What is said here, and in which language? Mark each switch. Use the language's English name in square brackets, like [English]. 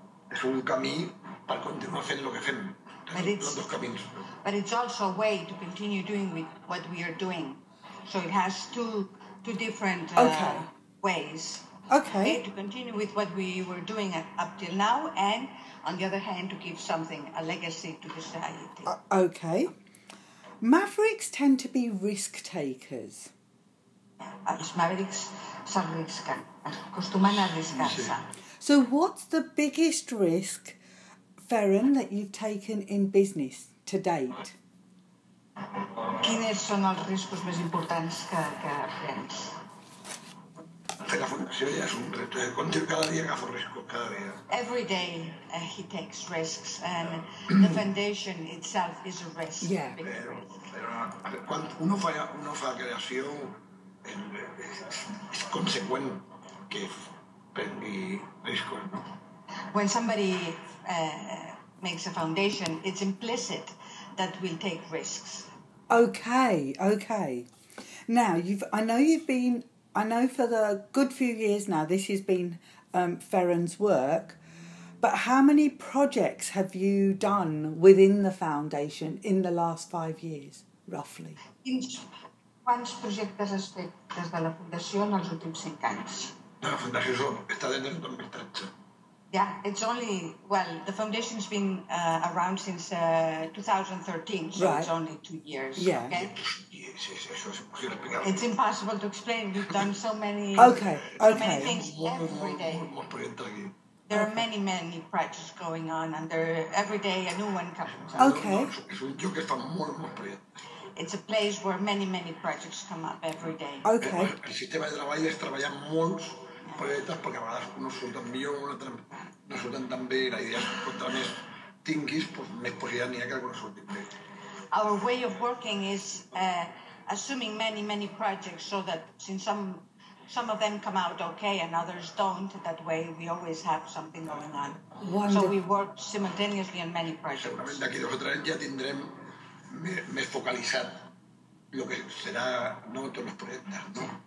[Spanish] es un camino para continuar haciendo lo que hacemos. Los dos caminos. [English] But it's also a way to continue doing with what we are doing. So it has two different ways. Okay. To continue with what we were doing up till now, and on the other hand, to give something, a legacy to the society. Okay. Mavericks tend to be risk takers. [Spanish] Los Mavericks se arriesgan, acostumbran a arriesgarse. [English] So what's the biggest risk, Ferran, that you've taken in business to date? [Catalan] Quins són els riscos més importants que prens? La fundació ja és un repte de continu, cada dia agafo riscos, cada dia. [English] Every day he takes risks, and the foundation itself is a risk. Yeah. [Catalan] Però quan uno fa creació, és conseqüent que prengui riscos, no? [English] When somebody makes a foundation, it's implicit that we'll take risks. Okay. Now, I know for the good few years now, this has been Ferran's work, but how many projects have you done within the foundation in the last 5 years, roughly? [Catalan] Quants projectes has fet des de la fundació en els últims 5 anys? La fundació està des del 2013. [English] Yeah, it's only, well, the foundation's been around since 2013, so right. It's only 2 years, yeah. Okay? Yes. It's impossible to explain. We've done so many, okay. So okay. Many things every day. There are many, many projects going on, and there every day a new one comes up. Okay. It's a place where many, many projects come up every day. Okay. [Catalan] El sistema de treball és treballar molt... projectes perquè a vegades no surten millor, no surten tan bé, la idea és que contra més tinguis, pues, més possibilitat n'hi ha que no surtin bé. [English] Our way of working is assuming many, many projects so that since some of them come out okay and others don't, that way we always have something going on. Wonderful. So we work simultaneously on many projects. [Catalan] Segurament d'aquí dos o tres ja tindrem més focalitzat el que serà, no tots els projectes, no?